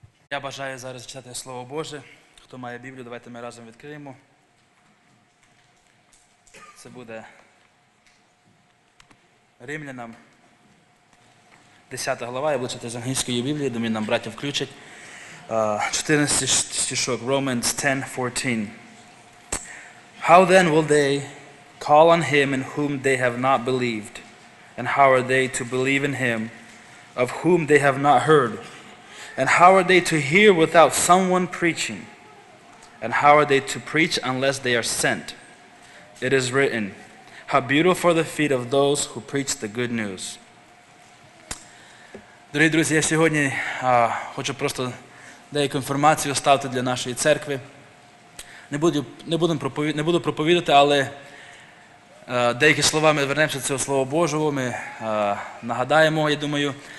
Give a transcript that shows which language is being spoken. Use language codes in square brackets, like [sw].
[uk] Я бажаю зараз читати Слово Боже. Хто має Біблію, давайте ми разом відкриємо. Це буде Римлянам 10 глава. Я буду читати з англійської Біблії, думаю, нам браття включать. 14 стишок, [en] Romans 10:14. How then will they call on him in whom they have not believed? And how are they to believe in him of whom they have not heard? And how are they to hear without someone preaching? And how are they to preach unless they are sent? It is written, how beautiful are the feet of those who preach the good news. [uk] Дорогі друзі, я сьогодні хочу просто деяку інформацію оставити для нашої церкви. Не буду проповідати, але деякі слова ми вернемося до цього Слова Божого, ми нагадаємо, я думаю.